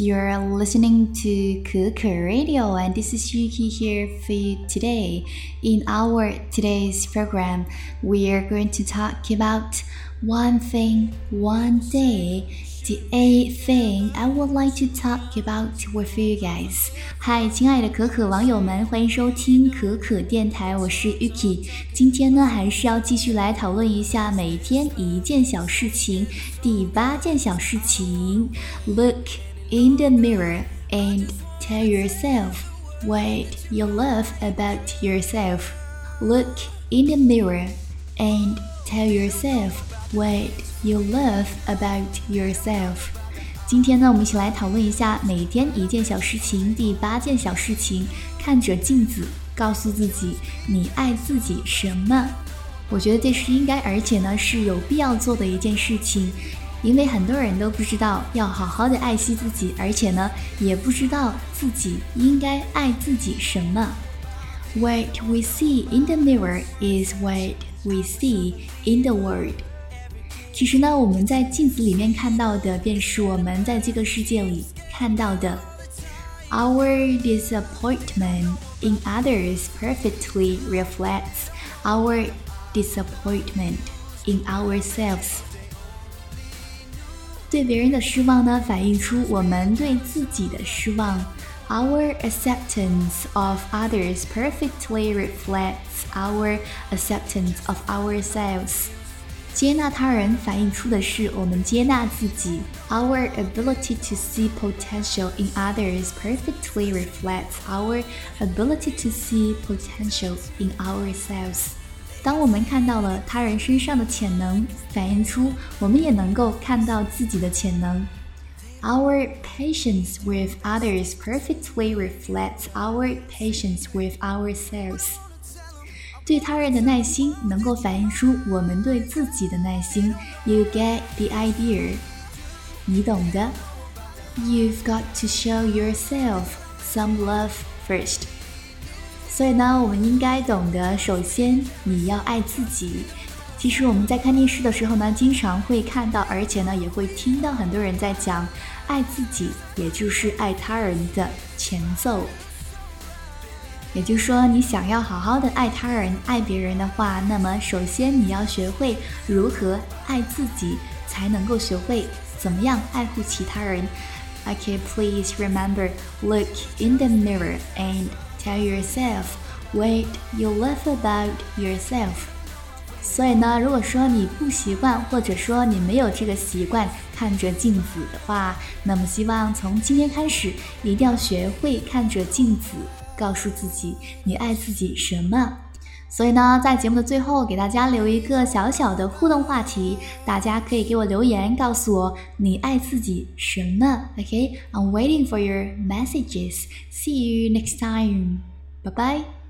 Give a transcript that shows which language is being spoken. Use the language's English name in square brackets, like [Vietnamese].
[English] You're listening to Kuku Radio, and this is Yuki here for you today. In our today's program, we are going to talk about one thing, one day. The eighth thing I would like to talk about with you guys. [Chinese] Hi, 亲爱的可可网友们，欢迎收听可可电台，我是 Yuki。今天呢，还是要继续来讨论一下每天一件小事情。第八件小事情 [English] ，Look in the mirror and tell yourself what you love about yourself. Look in the mirror and tell yourself what. You love about yourself. [Chinese] 今天呢，我们一起来讨论一下每天一件小事情。第八件小事情，看着镜子，告诉自己你爱自己什么？我觉得这是应该，而且呢是有必要做的一件事情，因为很多人都不知道要好好的爱惜自己，而且呢也不知道自己应该爱自己什么。 [English] What we see in the mirror is what we see in the world. [Chinese] 其实呢，我们在镜子里面看到的便是我们在这个世界里看到的。 [English] Our disappointment in others perfectly reflects our disappointment in ourselves. [Chinese] 对别人的失望呢，反映出我们对自己的失望。 [English] Our acceptance of others perfectly reflects our acceptance of ourselves. [Chinese] 接纳他人反映出的是我们接纳自己。 [English] Our ability to see potential in others perfectly reflects our ability to see potential in ourselves. [Chinese] 当我们看到了他人身上的潜能，反映出我们也能够看到自己的潜能。 [English] Our patience with others perfectly reflects our patience with ourselves. [Chinese] 对他人的耐心能够反映出我们对自己的耐心。 [English] You get the idea. [Chinese] 你懂的。 [English] You've got to show yourself some love first. [Chinese] 所以呢，我们应该懂得，首先你要爱自己。其实我们在看电视的时候呢，经常会看到，而且呢也会听到很多人在讲爱自己也就是爱他人的前奏。也就是说，你想要好好的爱他人、爱别人的话，那么首先你要学会如何爱自己，才能够学会怎么样爱护其他人。 [English] Okay, please remember, look in the mirror and tell yourself what you love about yourself. [Chinese] 所以呢，如果说你不习惯，或者说你没有这个习惯看着镜子的话，那么希望从今天开始，一定要学会看着镜子。告诉自己你爱自己什么。所以呢，在节目的最后给大家留一个小小的互动话题，大家可以给我留言告诉我你爱自己什么。 [English] OK, I'm waiting for your messages. See you next time. Bye bye.